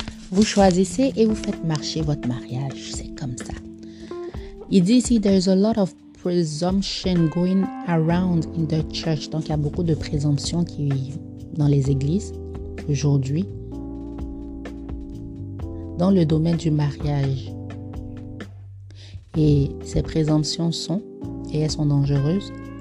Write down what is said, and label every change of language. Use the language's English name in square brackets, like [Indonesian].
[French] Vous choisissez et vous faites marcher votre mariage. C'est comme ça. Il dit ici, [English] there's a lot of presumption going around in the church. [French] Donc, il y a beaucoup de présomptions qui vivent dans les églises aujourd'hui. Dans le domaine du mariage. Et ces présomptions sont, et elles sont dangereuses.